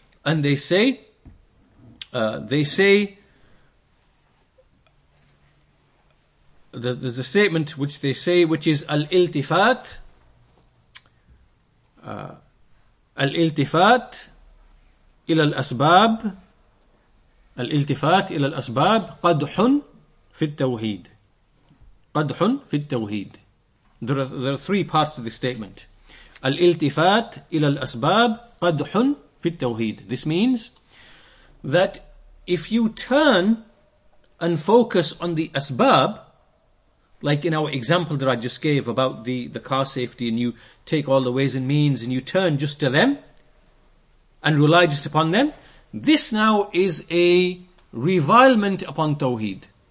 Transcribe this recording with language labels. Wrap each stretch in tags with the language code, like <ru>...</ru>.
<en>And they say, there's a statement which they say, which is</en> <ar>al-iltifat ila al-asbab. الالتفات إلى الأسباب قدح في التوحيد قدح في التوحيد.</ar> <en>There are three parts to this statement.</en> <ar>الالتفات إلى الأسباب قدح في التوحيد.</ar> <en>This means that if you turn and focus on the asbab, like in our example that I just gave about the car safety, and you take all the ways and means and you turn just to them and rely just upon them, this now is a revilement upon Tawheed.</en>